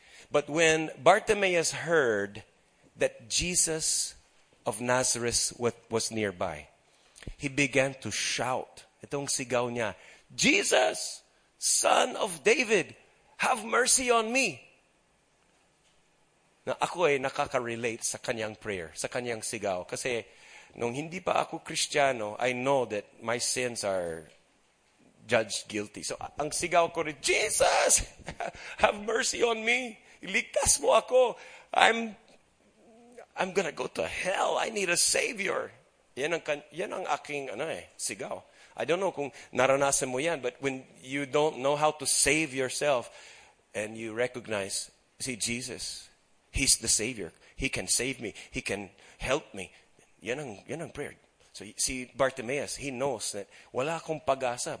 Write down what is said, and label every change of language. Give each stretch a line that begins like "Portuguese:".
English: But when Bartimaeus heard that Jesus of Nazareth was nearby, he began to shout.
Filipino: Itong sigaw niya,
English: Jesus, Son of David, have mercy on me.
Filipino: Na ako ay nakaka-relate sa kanyang prayer, sa kanyang sigaw. Kasi nung hindi pa ako Kristiyano,
English: I know that my sins are judged guilty. So
Filipino: ang sigaw ko rin,
English: Jesus, have mercy on me.
Filipino: Ligtas mo ako.
English: I'm gonna go to hell. I need a savior.
Filipino: Yan ang aking ano eh, sigaw.
English: I don't know
Filipino: kung naranasan mo yan,
English: but when you don't know how to save yourself and you recognize, see, Jesus, he's the savior. He can save me. He can help me.
Filipino: Yan ang prayer.
English: So see, Bartimaeus, he knows that
Filipino: wala akong pag-asa.